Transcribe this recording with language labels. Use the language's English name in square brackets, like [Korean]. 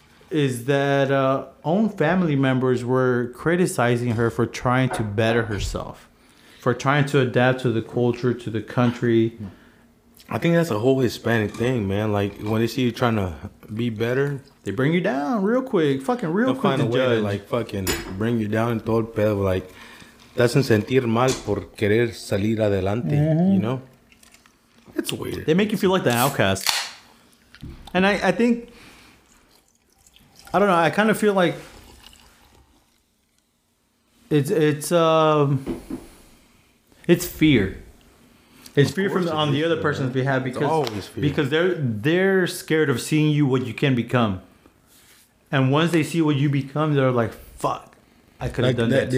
[English] Is that own family members were criticizing her for trying to better herself. For trying to adapt to the culture, to the country. I think that's a whole Hispanic thing, man. Like, when they see you trying to be better, they bring you down real quick. Fucking real quick. They'll find a way to, like, fucking bring you down and [Spanish] todo el pedo. Like, te hacen sentir mal por querer salir adelante. [English] Mm-hmm. You know? It's weird. They make you feel like the outcast. And I think, I don't know, I kind of feel like it's fear. It's fear from on the other person's behalf because they're scared of seeing you what you can become, and once they see what you become, they're like, "Fuck, I could have done that too."